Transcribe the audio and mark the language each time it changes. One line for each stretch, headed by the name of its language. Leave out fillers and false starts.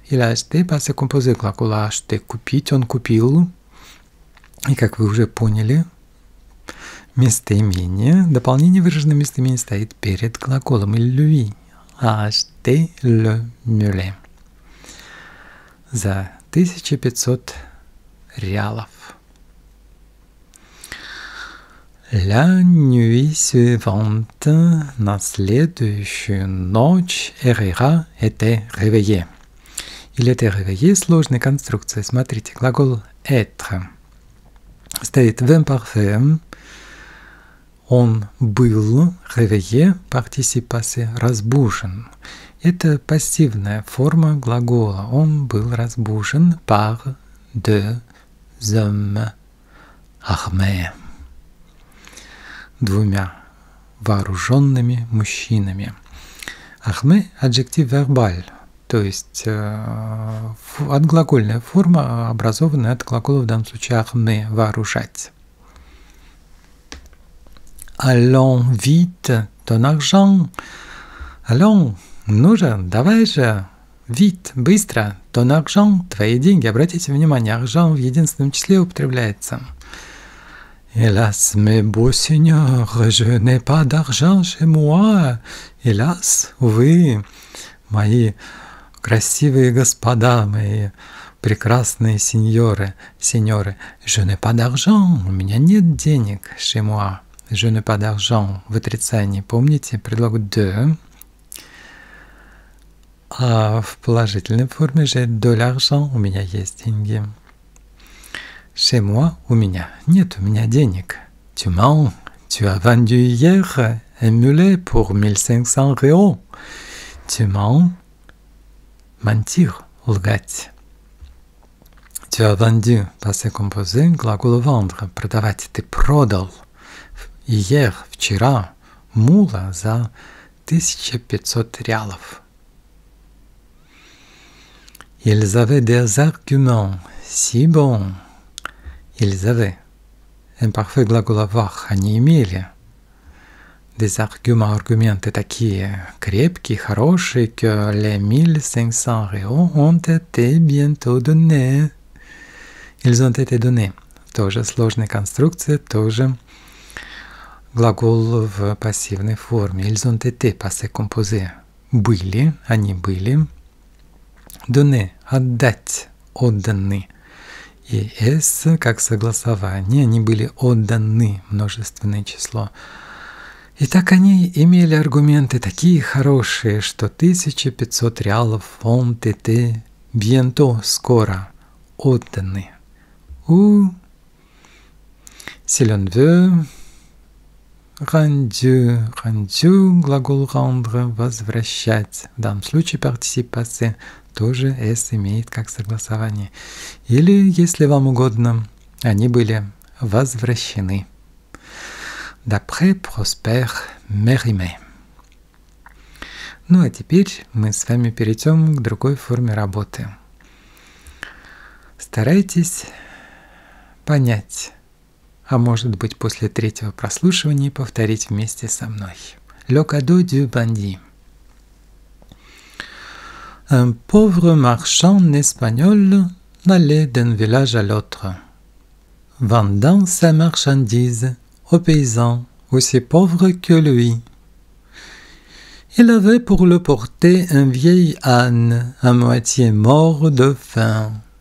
French: Il a acheté, passé composé,
Russian: глагол
French: acheté,
Russian: купить, он купил. И как вы уже поняли, местоимение, дополнение выраженное местоимение стоит перед глаголом
French: lui, acheté le mulet.
Russian: За 1500 реалов.
French: La nuit suivante,
Russian: на следующую ночь,
French: Herrera était réveillé. Il était réveillé,
Russian: сложная конструкция. Смотрите, глагол être стоит в имперфекте. Он был réveillé,
French: participe passé,
Russian: разбужен. Это пассивная форма глагола. Он был разбужен
French: par deux hommes armés.
Russian: Двумя вооруженными мужчинами.
French: Armé – adjectif verbal.
Russian: То есть отглагольная форма, образованная от глагола в данном случае armé – вооружать.
French: Allons vite, ton argent. Allons, nous,
Russian: давай же,
French: vite,
Russian: быстро,
French: ton argent,
Russian: твои деньги. Обратите внимание, argent в единственном числе употребляется.
French: Hélas, mes beaux seigneurs, je n'ai pas d'argent chez moi. Hélas,
Russian: увы, мои красивые господа, мои прекрасные сеньоры, сеньоры,
French: je n'ai pas d'argent,
Russian: у меня нет денег
French: chez moi. Je n'ai pas d'argent,
Russian: в отрицании, помните, предлог
French: de.
Russian: А в положительной форме
French: j'ai de l'argent,
Russian: у меня есть деньги.
French: Chez moi,
Russian: у меня нет, у меня денег.
French: Tu mens, tu as vendu hier un mulet pour 1500 euros. Tu mens, mentir,
Russian: лгать.
French: Tu as vendu, passé composé,
Russian: глагол
French: vendre,
Russian: продавать, ты продал.
French: Hier,
Russian: вчера, мула за 1500 реалов.
French: Ils avaient des arguments si bons. Ils avaient, imparfait
Russian: глагол
French: avoir,
Russian: они имели.
French: Des arguments,
Russian: аргументы такие крепкие, хорошие,
French: que les 1500 euros ont été bientôt donnés. Ils ont été donnés.
Russian: Тоже сложная конструкция, тоже глагол в пассивной форме.
French: Ils ont été, passé composé.
Russian: Были, они были. Donné, отдать, отданы. И S, как согласование, они были отданы, множественное число. И так они имели аргументы такие хорошие, что 1500 реалов
French: ont été bientôt,
Russian: скоро, отданы.
French: У, si l'on veut, rendu, rendu,
Russian: глагол
French: rendre,
Russian: возвращать. В данном случае
French: particip passé
Russian: тоже S имеет как согласование. Или, если вам угодно, они были возвращены.
French: D'après Prosper Mérimée.
Russian: Ну а теперь мы с вами перейдем к другой форме работы. Старайтесь понять, а может быть после третьего прослушивания повторить вместе со мной.
French: Le cadeau du bandit. Un pauvre marchand espagnol allait d'un village à l'autre, vendant sa marchandise aux paysans aussi pauvres que lui. Il avait pour le porter un vieil âne à moitié mort de faim.